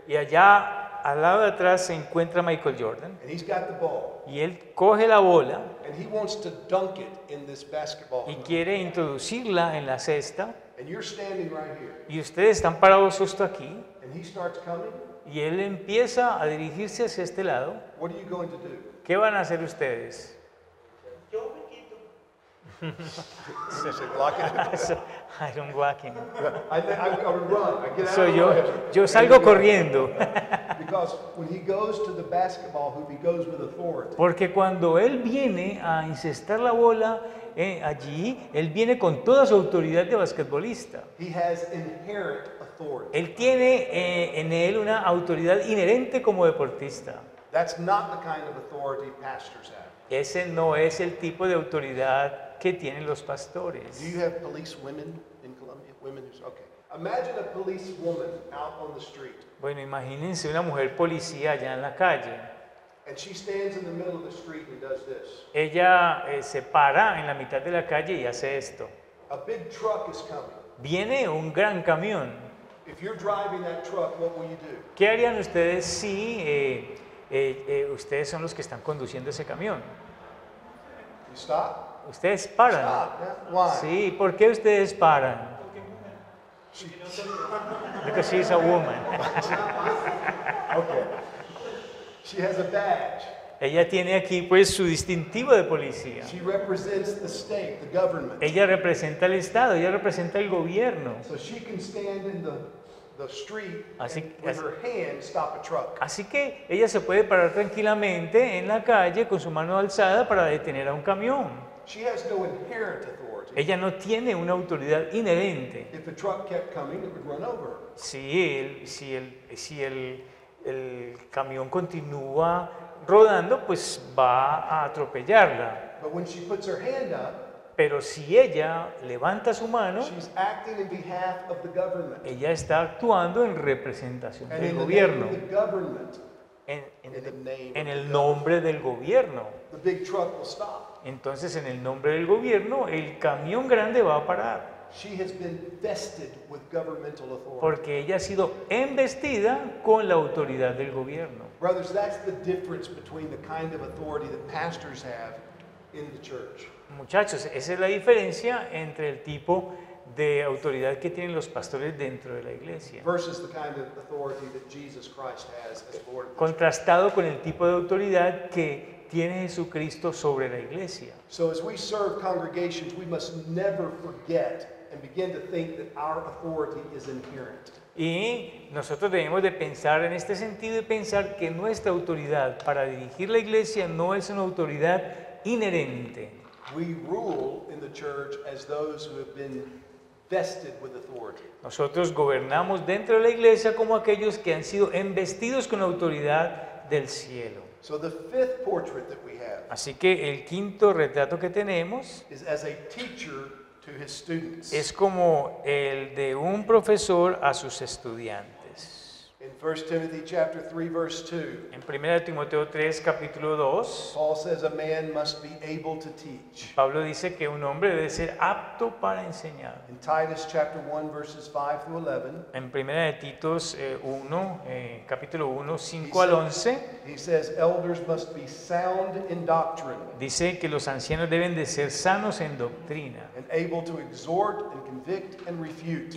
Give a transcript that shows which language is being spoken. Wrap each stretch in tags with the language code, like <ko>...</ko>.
<es>Y allá al lado de atrás se encuentra Michael Jordan.</es> <en>And he's got the ball.</en> <es>Y él coge la bola.</es> <en>And he wants to dunk it in this basketball.</en> <es>Y quiere introducirla en la cesta.</es> <en>And you're standing right here.</en> <es>Y ustedes están parados justo aquí.</es> <en>And he starts coming.</en> <es>Y él empieza a dirigirse hacia este lado.</es> <en>What are you going to do?</en> <es>¿Qué van a hacer ustedes? Yo me quito.</es> <en>I don't walk in. I would run. I get out of the way.</en> <es>Salgo corriendo.</es> <en>Because when he goes to the basketball hoop, he goes with authority.</en> <es>Porque cuando él viene a encestar la bola allí, él viene con toda su autoridad de basquetbolista.</es> <en>He has inherent authority.</en> <es>Él tiene en él una autoridad inherente como deportista.</es> <en>That's not the kind of authority pastors have.</en> <es>Ese no es el tipo de autoridad que tienen los pastores.</es> <en>Do you have police women in Colombia? Women who's okay. Imagine a police woman out on the street.</en> <es>Bueno, imagínense una mujer policía allá en la calle.</es> <en>And she stands in the middle of the street and does this.</en> <es>Ella se para en la mitad de la calle y hace esto.</es> <en>A big truck is coming.</en> <es>Viene un gran camión.</es> <en>If you're driving that truck, what will you do?</en> <es>¿Qué harían ustedes si ustedes son los que están conduciendo ese camión?</es> <en>You stop?</en> <es>Ustedes paran.</es> <en>Stop. Why?</en> <es>Sí, ¿por qué ustedes paran? Porque</es> <en>she's a woman. Okay. She has a badge.</en> <es>Ella tiene aquí pues su distintivo de policía.</es> <en>She represents the state, the government.</en> <es>Ella representa el estado, ella representa el gobierno.</es> <en>So she can stand in the street with her hand stop a truck.</en> <es>Así que ella se puede parar tranquilamente en la calle con su mano alzada para detener a un camión.</es> <en>She has no inherent authority.</en> <es>Ella no tiene una autoridad inherente.</es> <en>If the truck kept coming, it would run over.</en> <es>Si el camión continúa rodando, pues va a atropellarla.</es> <en>But when she puts her hand up,</en> <es>pero si ella levanta su mano,</es> <en>she's acting in behalf of the government.</en> <es>Ella está actuando en representación del gobierno. En el nombre del gobierno.</es> <en>The big truck will stop.</en> <es>Entonces, en el nombre del gobierno, el camión grande va a parar.</es> <en>She has been vested with governmental authority.</en> <es>Porque ella ha sido embestida con la autoridad del gobierno.</es> <en>Brothers, that's the difference between the kind of authority that pastors have in the church.</en> <es>Muchachos, esa es la diferencia entre el tipo de autoridad que tienen los pastores dentro de la iglesia.</es> <en>Versus the kind of authority that Jesus Christ has as Lord.</en> <es>Contrastado con el tipo de autoridad que tiene Jesucristo sobre la iglesia.</es> <en>So as we serve congregations, we must never forget and begin to think that our authority is inherent.</en> <es>Y nosotros debemos de pensar en este sentido y pensar que nuestra autoridad para dirigir la iglesia no es una autoridad inherente.</es> <en>We rule in the church as those who have been vested with authority.</en> <es>Nosotros gobernamos dentro de la iglesia como aquellos que han sido embestidos con la autoridad del cielo.</es> <en>So the fifth portrait that we have.</en> <es>Así que el quinto retrato que tenemos</es> <en>is as a teacher to his students.</en> <es>Es como el de un profesor a sus estudiantes.</es> <en>In 1 Timothy chapter 3 verse 2.</en> <es>En 1 Timoteo 3 capítulo 2.</es> <en>Paul says a man must be able to teach.</en> <es>Pablo dice que un hombre debe ser apto para enseñar.</es> <en>In Titus chapter 1 verses 5 through 11.</en> <es>En 1 de Tito 1 capítulo 1 5 al 11.</es> <en>He says elders must be sound in doctrine.</en> <es>Dice que los ancianos deben de ser sanos en doctrina.</es> <en>And able to exhort and convict and refute.</en>